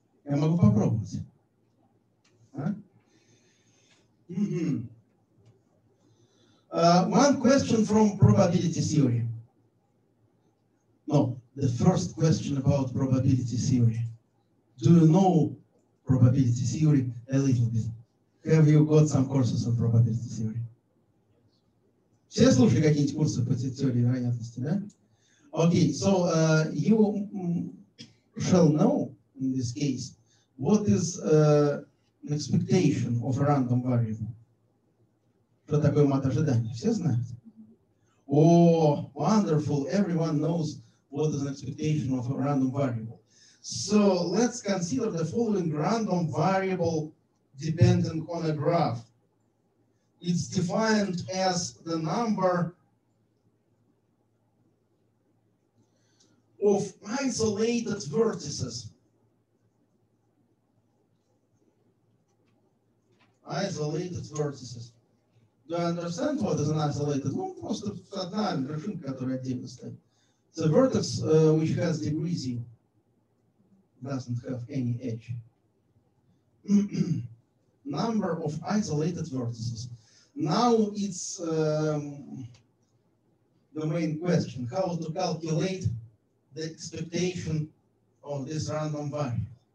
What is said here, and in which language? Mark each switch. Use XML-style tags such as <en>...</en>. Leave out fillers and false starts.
<ru>Я могу попробовать. А? Mm-hmm.</ru> <en>One question from probability theory. No, the first question about probability theory. Do you know probability theory a little bit? Have you got some courses on probability theory?</en> <ru>Все слушали какие-нибудь курсы по теории вероятности, да?</ru> <en>Okay, so you shall know in this case what is an expectation of a random variable.</en> <ru>Что такое мат ожидания? Все знают.</ru> <en>Oh, wonderful! Everyone knows what is an expectation of a random variable. So let's consider the following random variable depending on a graph. It's defined as the number of isolated vertices. Isolated vertices. Do you understand what is an isolated?</en> <ru>Ну, просто одна вершинка, которая отдельно стоит.</ru> <en>The vertex which has degree z doesn't have any edge. Number of isolated vertices. Now it's the main question, how to calculate the expectation of this random variable.</en>